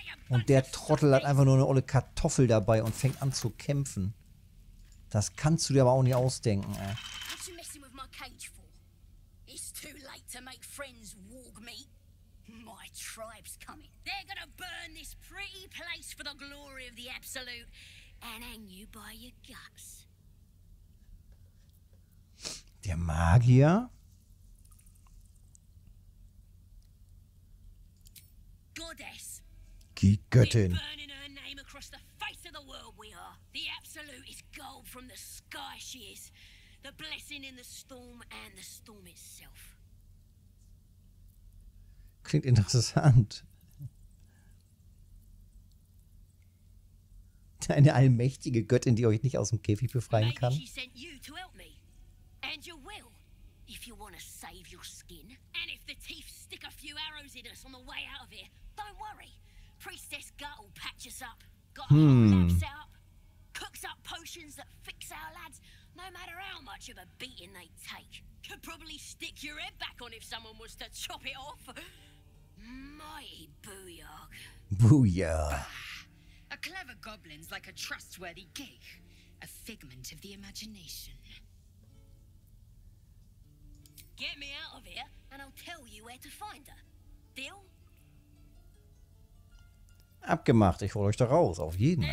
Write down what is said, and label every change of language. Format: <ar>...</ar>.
<de>Und der Trottel hat einfach nur eine olle Kartoffel dabei und fängt an zu kämpfen. Das kannst du dir aber auch nicht ausdenken, ey.</de> <en>What are you messing with my cage for? It's too late to make friends, warg me. My tribe's coming. They're gonna burn this pretty place for the glory of the Absolute and hang you by your guts.</en> <de>Der Magier?</de> <en>Goddess.</en> <de>Die Göttin.</de> <en>We're burning her name across the face of the world we are. The Absolute is gold from the sky she is. The blessing in the storm and the storm itself.</en> <de>Klingt interessant. Deine allmächtige Göttin, die euch nicht aus dem Käfig befreien kann?</de> <en>Maybe she sent you to help me. And you will, if you want to save your skin. And if the teeth stick a few arrows in us on the way out of here, don't worry. Priestess Gut will patch us up. Got a lab set up. Cooks up potions that fix our lads, no matter how much of a beating they take. Could probably stick your head back on if someone was to chop it off. Mighty Booyarg. Booyarg. A clever goblin's like a trustworthy gig. A figment of the imagination. Get me out of here, and I'll tell you where to find her. Deal?</en> <de>Abgemacht, ich hol euch da raus, auf jeden Fall.</de>